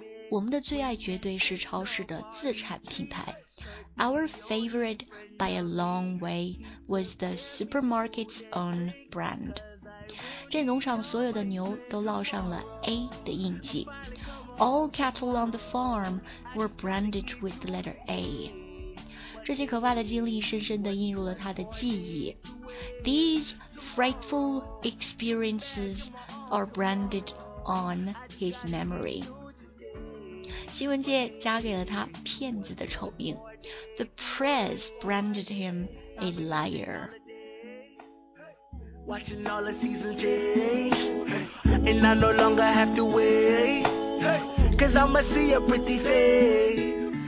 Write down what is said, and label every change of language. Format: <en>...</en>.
<zh>我们的最爱绝对是超市的自产品牌</zh> <en>Our favorite by a long way was the supermarket's own brand</en> <zh>这农场所有的牛都烙上了 A 的印记</zh> <en>All cattle on the farm were branded with the letter A</en> <zh>这些可怕的经历深深地印入了他的记忆。</zh> <en>These frightful experiences are branded on his memory.</en> <zh>新闻界加给了他骗子的丑名。</zh> <en>The press branded him a liar. Watching all the seasons change, and I no longer have to wait, cause I'ma see a pretty face.</en>